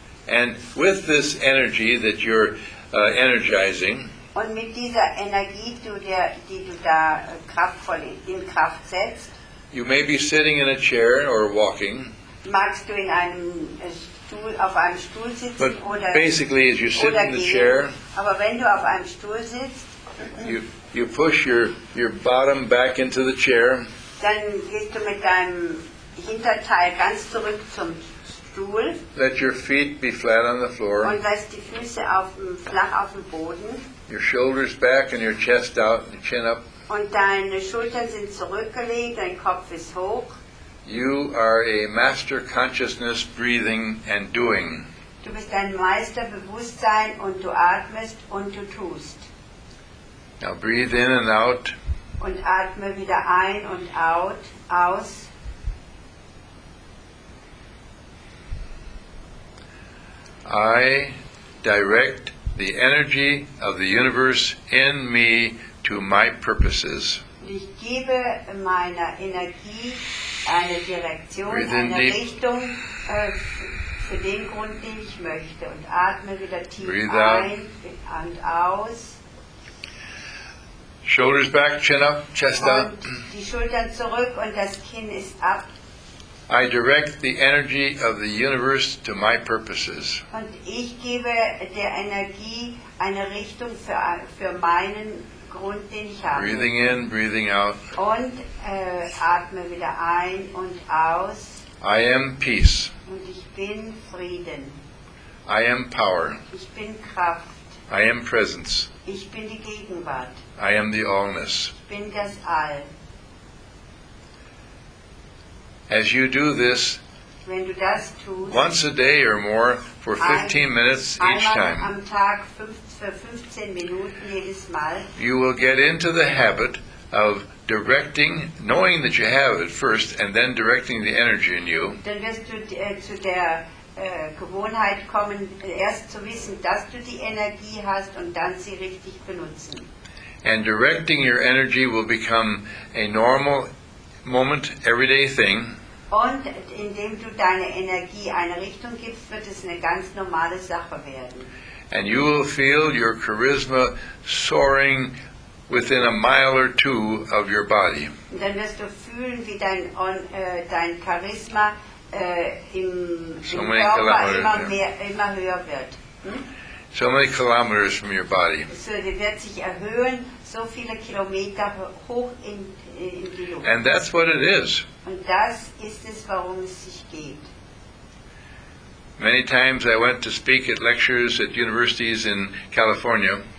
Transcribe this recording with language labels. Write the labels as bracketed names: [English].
[English] And with this energy that you're energizing, [German] und mit dieser Energie, die du da kraftvoll in Kraft setzt, [English] you may be sitting in a chair or walking. [German] Magst du in einem Stuhl, auf einem Stuhl sitzen, [English] but [German] oder [English] basically, as you sit in the chair, [German] aber wenn du auf einem Stuhl sitzt, [English] you push your bottom back into the chair. [German] Dann gehst du mit deinem Hinterteil ganz zurück zum Stuhl. [English] Let your feet be flat on the floor. [German] Und lass die Füße flach auf dem Boden. [English] Your shoulders back and your chest out, and chin up. [German] Und deine Schultern sind zurückgelegt, dein Kopf ist hoch. [English] You are a master consciousness breathing and doing. [German] Du bist ein Meisterbewusstsein und du atmest und du tust. [English] Now breathe in and out. [German] Und atme wieder ein und out, aus. [English] I direct the energy of the universe in me to my purposes. [German] Ich gebe meiner Energie eine Direktion, eine Richtung für den Grund, den ich möchte. Und atme wieder tief ein und aus. [English] Shoulders back, chin up, chest [German] und [English] up. [German] Die Schultern zurück und das Kinn ist ab. [English] I direct the energy of the universe to my purposes. [German] Und ich gebe der Energie eine Richtung für meinen Grund, den ich habe. [English] Breathing in, breathing out. [German] Und atme wieder ein und aus. [English] I am peace. [German] Und ich bin Frieden. [English] I am power. [German] Ich bin Kraft. [English] I am presence. [German] Ich bin die Gegenwart. [English] I am the allness. [German] Ich bin das All. [English] As you do this, [German] wenn du das tust, [English] once a day or more for 15 minutes each time, [German] am Tag für 15 Minuten jedes Mal, [English] you will get into the habit of directing, knowing that you have it first, and then directing the energy in you. [German] Dann wirst du zu der Gewohnheit kommen, erst zu wissen, dass du die Energie hast, und dann sie richtig benutzen. [English] And directing your energy will become a normal moment, everyday thing. [German] Und indem du deine Energie eine Richtung gibst, wird es eine ganz normale Sache werden. [English] And you will feel your charisma soaring within a mile or two of your body. [German] Und dann wirst du fühlen, wie dein Charisma im Körper immer höher wird. [English] So many kilometers from your body. [German] So die wird sich erhöhen, so viele Kilometer hoch in die Luft. [English] And that's what it is. [German] Und das ist es, worum es sich geht. [English] Many times I went to speak at lectures at universities in California.